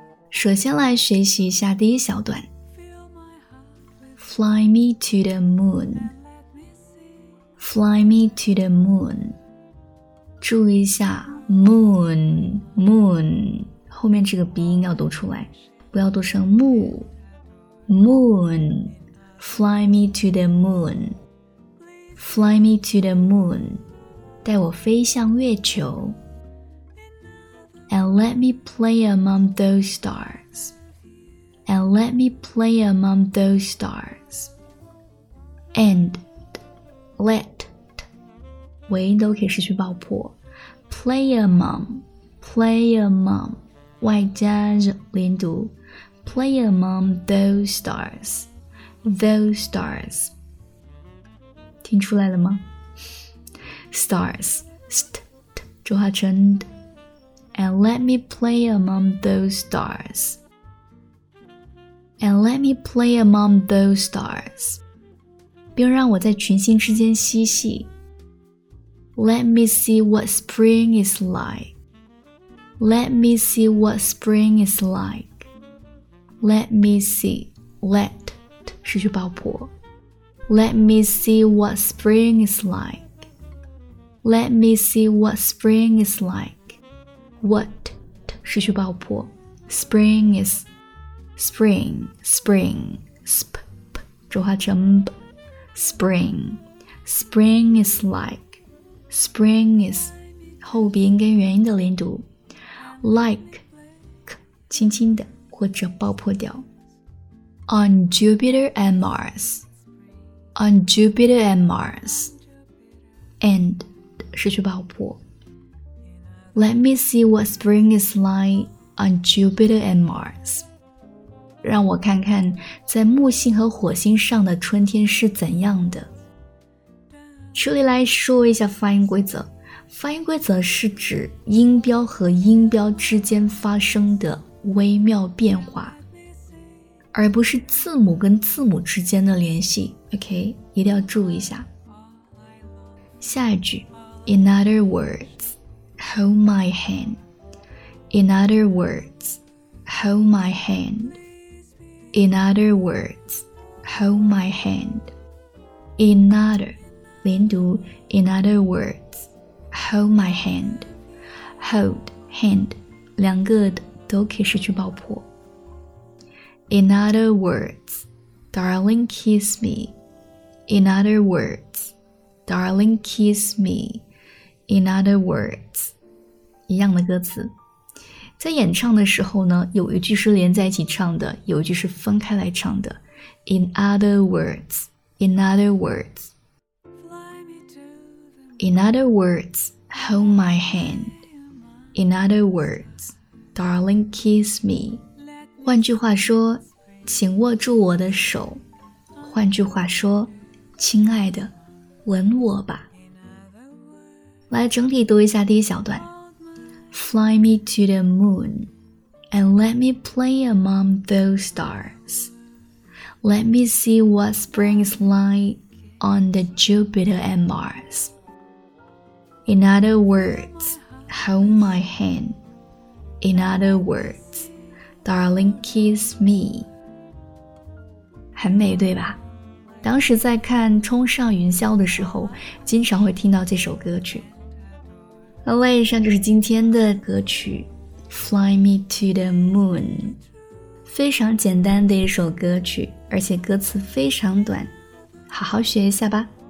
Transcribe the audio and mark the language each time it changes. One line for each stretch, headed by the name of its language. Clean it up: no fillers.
Chinese: 首先来学习一下第一小段
English: Fly me to the moon， Fly me to the moon，
Chinese: 注意一下 moon， moon 后面这个鼻音要读出来，不要读成 moon，
English: Fly me to the moon， Fly me to the moon，
Chinese: 带我飞向月球。
English: And let me play among those stars. And let me play among those stars. And let
Chinese: 尾音都可以失去爆破。
English: Play among, play among
Chinese: 外加连读。
English: Play among those stars, those stars.
Chinese: 听出来了吗 ？
English: Stars, st
Chinese: 浊化成 d.
English: And let me play among those stars. And let me play among those stars.
Chinese: 并让我在群星之间嬉戏。
English: Let me see what spring is like. Let me see what spring is like. Let me see. Let 失去爆破。 Let me see what spring is like. Let me see what spring is like.
Chinese: What 失去爆破
English: Spring is Spring Spring Sp
Chinese: 浊化成 b
English: Spring Spring is like Spring is
Chinese: 后鼻音跟元音的连读 Like k, 轻轻的或者爆破掉
English: On Jupiter and Mars On Jupiter and Mars And 失去爆破 Let me see what spring is like on Jupiter and Mars.
Chinese: 让我看看在木星和火星上的春天是怎样的。这里来说一下发音规则。发音规则是指音标和音标之间发生的微妙变化，而不是字母跟字母之间的联系。 OK, 一定要注意一下。
English: 下一句 In other words,Hold my hand. In other words, hold my hand. In other words, hold my hand. In other,
Chinese: 连读
English: In other words, hold my hand.
Chinese: Hold, hand, 两个的都可以失去爆破。
English: In other words, darling, kiss me. In other words, darling, kiss me. In other words.
Chinese: 一样的歌词，在演唱的时候呢，有一句是连在一起唱的，有一句是分开来唱的。
English: In other words, in other words, in other words, hold my hand. In other words, darling, kiss me.
Chinese: 换句话说，请握住我的手。换句话说，亲爱的，吻我吧。来整体读一下第一小段。
English: Fly me to the moon and let me play among those stars. Let me see what spring is like on the Jupiter and Mars. In other words, hold my hand. In other words, darling, kiss me.
Chinese: 很美，对吧？当时在看《冲上云霄》的时候，经常会听到这首歌曲。好嘞，以上就是今天的歌曲
English: 《Fly Me to the Moon》，
Chinese: 非常简单的一首歌曲，而且歌词非常短，好好学一下吧。